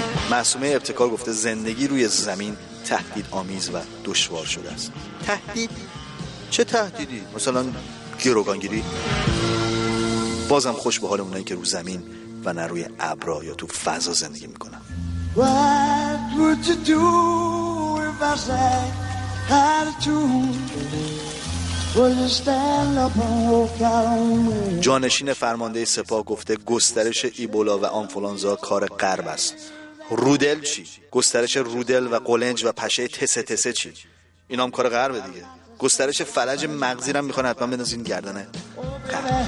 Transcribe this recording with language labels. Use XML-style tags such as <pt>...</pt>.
<fa>معصومه ابتکار گفته زندگی روی زمین تهدید آمیز و دشوار شده است. تهدید؟ چه تهدیدی؟ مثلا گروگانگیری؟ بازم خوش به حال اونایی که رو زمین و نه روی ابرا یا تو فضا زندگی میکنن.</fa> <en>What would you do if I said had a tune? Would you stand up and walk out on me?</en> <fa>جانشین فرمانده سپاه گفته گسترش ایبولا و آنفولانزا کار غرب است. رودل چی؟ گسترش رودل و قلنج و پشه تسه تسه چی؟ اینا هم کار غربه دیگه. گسترش فلج مغزی رو میخوان حتما بندازین گردنه غرب.</fa>